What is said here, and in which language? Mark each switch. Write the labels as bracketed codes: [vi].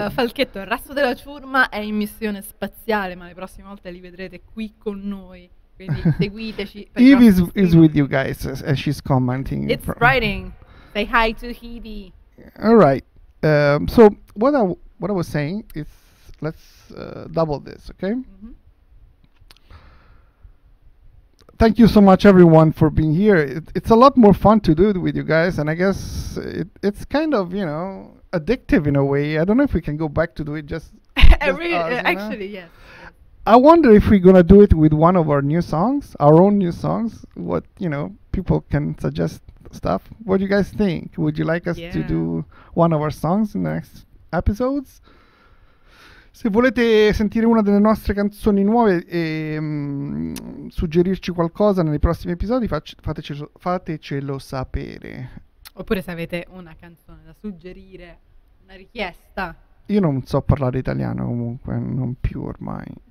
[it] Falchetto, il Rasso della Ciurma è in missione spaziale, ma le prossime volte li vedrete qui con noi. Quindi seguiteci. [en] Eve is with you guys, and she's commenting. It's writing. Say hi to Hebe. All right. So what I was saying is, let's double this, okay? Mm-hmm. thank you so much, everyone, for being here. It's a lot more fun to do it with you guys, and I guess it's kind of, you know, addictive in a way. I don't know if we can go back to do it just Yes. I wonder if we're gonna do it with one of our new songs, our own new songs. What, you know, people can suggest stuff. What do you guys think? Would you like us to do one of our songs in the next episodes? [it] Se volete sentire una delle nostre canzoni nuove e suggerirci qualcosa nei prossimi episodi, fatecelo sapere. Oppure se avete una canzone da suggerire, una richiesta. Io non so parlare italiano comunque, non più ormai.